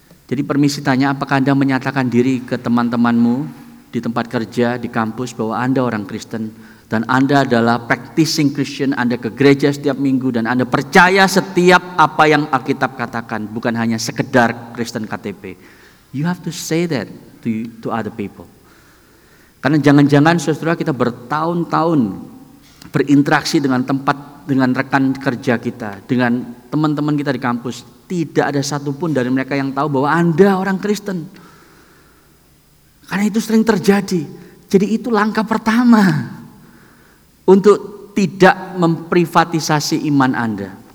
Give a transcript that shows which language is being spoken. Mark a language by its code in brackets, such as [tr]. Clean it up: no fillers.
[id] Jadi permisi tanya, apakah Anda menyatakan diri ke teman-temanmu di tempat kerja, di kampus, bahwa Anda orang Kristen, dan Anda adalah practicing Christian, Anda ke gereja setiap minggu, dan Anda percaya setiap apa yang Alkitab katakan, bukan hanya sekedar Kristen KTP. [en] You have to say that to other people. [id] Karena jangan-jangan saudara kita bertahun-tahun berinteraksi dengan tempat, dengan rekan kerja kita, dengan teman-teman kita di kampus, tidak ada satupun dari mereka yang tahu bahwa Anda orang Kristen. Karena itu sering terjadi. Jadi itu langkah pertama untuk tidak memprivatisasi iman Anda.